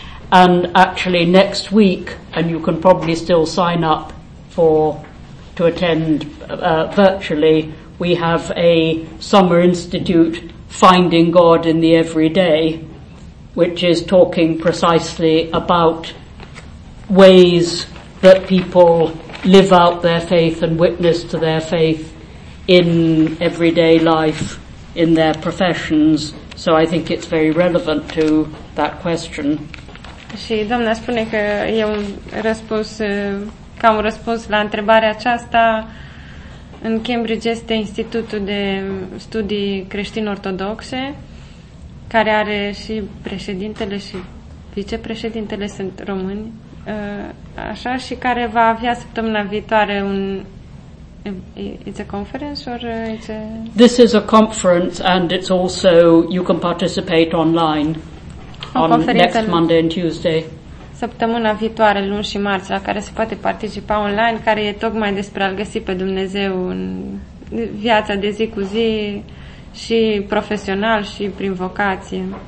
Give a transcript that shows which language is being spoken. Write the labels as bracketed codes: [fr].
[en] And actually next week, and you can probably still sign up to attend virtually, we have a summer institute, Finding God in the Everyday, which is talking precisely about ways that people live out their faith and witness to their faith in everyday life, in their professions. So I think it's very relevant to that question. [ro] Și doamna spune că e un răspuns, ca un răspuns la întrebarea aceasta, în Cambridge este Institutul de Studii Creștin-Ortodoxe, care are și președintele și vicepreședintele sunt români, așa, și care va avea săptămâna viitoare un... [en] It's a conference or it's a... This is a conference, and it's also, you can participate online next Monday and Tuesday. [ro] Săptămâna viitoare, luni și marți, la care se poate participa online, care e tocmai despre a-L găsi pe Dumnezeu în viața de zi cu zi, și profesional, și prin vocație.